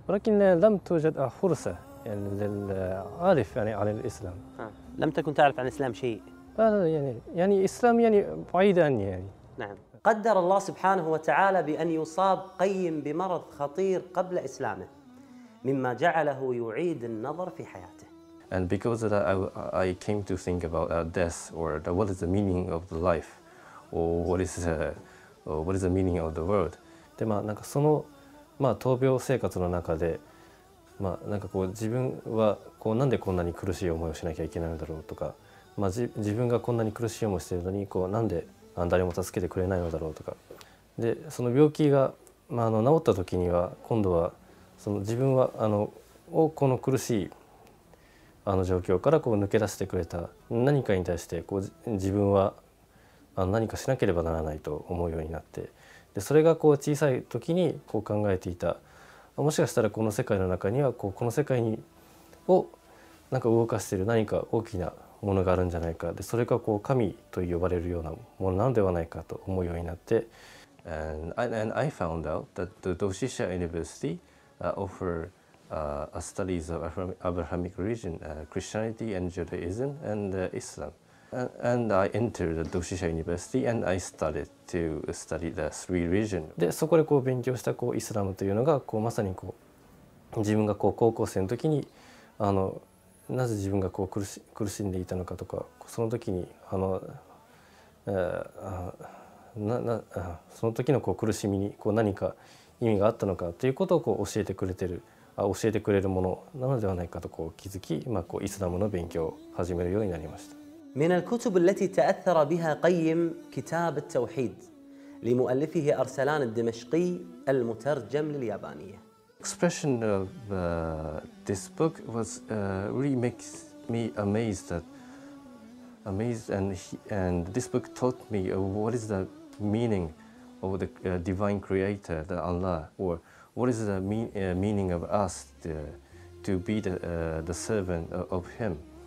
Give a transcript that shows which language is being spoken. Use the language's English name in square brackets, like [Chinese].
[Arabic] ولكن لم توجد فرصة يعني للعارف يعني عن الإسلام. لم تكن تعرف عن الإسلام شيء. يعني إسلام يعني بعيد عني يعني. نعم. قدر الله سبحانه وتعالى بأن يصاب قيم بمرض خطير قبل إسلامه، مما جعله يعيد النظر في حياته. [English] And because of that, I came to think about death, or what is the meaning of the life, or what is the meaning of the world. [Japanese] で、まあなんかそのまあ闘病生活の中で、まあなんかこう自分はこうなんでこんなに苦しい思いをしなきゃいけないんだろうとか、まあ自分がこんなに苦しい思いをしているのにこうなんで誰も助けてくれないのだろうとか、でその病気がまあ治った時には今度はその自分はをこの苦しい状況からこう抜け出してくれた何かに対してこう自分は何かしなければならないと思うようになって、でそれがこう小さい時にこう考えていた、もしかしたらこの世界の中にはこの世界にをなんか動かしている何か大きなものがあるんじゃないか、でそれがこう神と呼ばれるようなものなのではないかと思うようになって。 [English] And I found out that the Doshisha Universityoffer a studies of Abrahamic religion, Christianity and Judaism and Islam. And I entered the Doshisha University and I started to study the three religions. [Japanese] で、そこでこう勉強したこうイスラムというのがこうまさにこう自分がこう高校生の時になぜ自分がこう苦しんでいたのかとか、その時にその時のこう苦しみにこう何か意味があったのかということをこう教えてくれてる、教えてくれるものなのではないかとこう気づき、まあ、こうイスラムの勉強を始めるようになりました。 [Arabic] من الكتب التي تأثر بها قيم كتاب التوحيد لمؤلفه أرسلان الدمشقي المترجم للياباني. [English] Expression of this book was really makes me amazed that amazed and he, and this book taught me what is the meaning. Of the divine creator, the Allah, or what is the meaning of us to be the servant of Him?